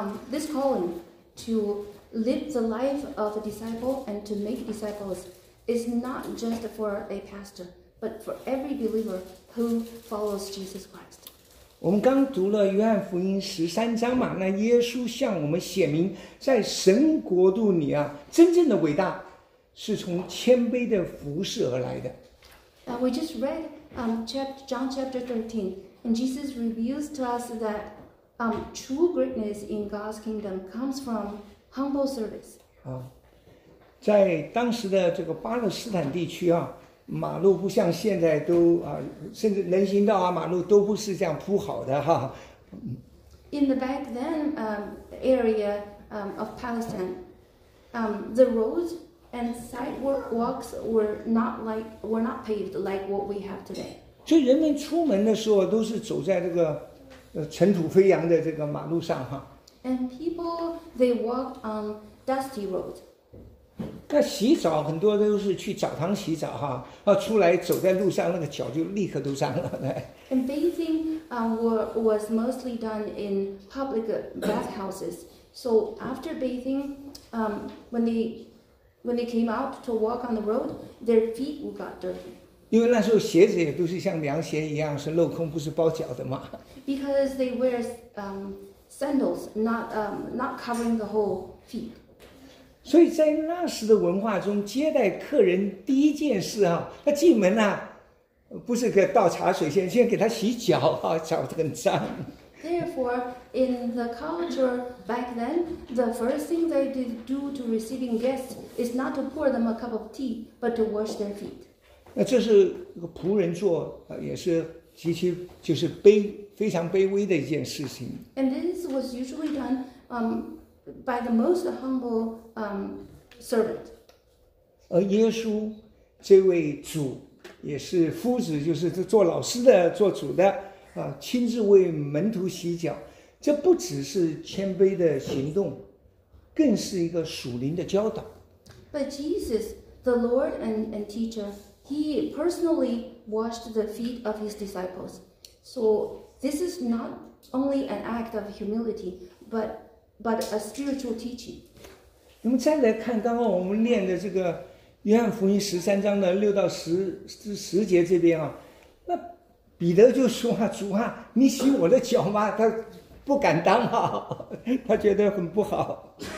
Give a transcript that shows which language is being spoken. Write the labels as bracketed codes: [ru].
[en] This calling to live the life of a disciple and to make disciples is not just for a pastor, but for every believer who follows Jesus Christ. [zh] 我们刚读了约翰福音十三章嘛，那耶稣向我们显明，在神国度里啊，真正的伟大是从谦卑的服事而来的。 [en] We just read John chapter 13, and Jesus reveals to us that true greatness in God's kingdom comes from humble service. [zh] 在当时的这个巴勒斯坦地区啊。马路不像现在都甚至人行道马路都不是这样铺好的哈。 [en] In the back then area of Palestine, the roads and sidewalks were not paved like what we have today. [zh] 所以人们出门的时候都是走在这个尘土飞扬的这个马路上哈。 [en] And people they walked on dusty roads. [zh] 那洗澡很多都是去澡堂洗澡哈，出来走在路上那个脚就立刻都脏了。 [en] And bathing was mostly done in public bathhouses. So after bathing, when they came out to walk on the road, their feet got dirty. [zh] 因为那时候鞋子也都是像凉鞋一样是镂空，不是包脚的嘛。 [en] Because they wear sandals, not covering the whole feet. [zh] 所以在那时的文化中，接待客人第一件事他进门不是给倒茶水，先给他洗脚脚很脏。 [en] Therefore, in the culture back then, the first thing they did do to receiving guests is not to pour them a cup of tea, but to wash their feet. [zh] 那这是仆人做，也是极其就是非常卑微的一件事情。 [en] And this was usually done, by the most humble servant. [zh] 而耶稣这位主也是夫子，就是做老师的、做主的亲自为门徒洗脚，这不只是谦卑的行动，更是一个属灵的教导。 [en] But Jesus, the Lord and teacher, he personally washed the feet of his disciples. So this is not only an act of humility, but a spiritual teaching. [zh] 那么再来看刚刚我们念的这个约翰福音十三章的六到十节这边那彼得就说主你洗我的脚吗？他不敢当他觉得很不好。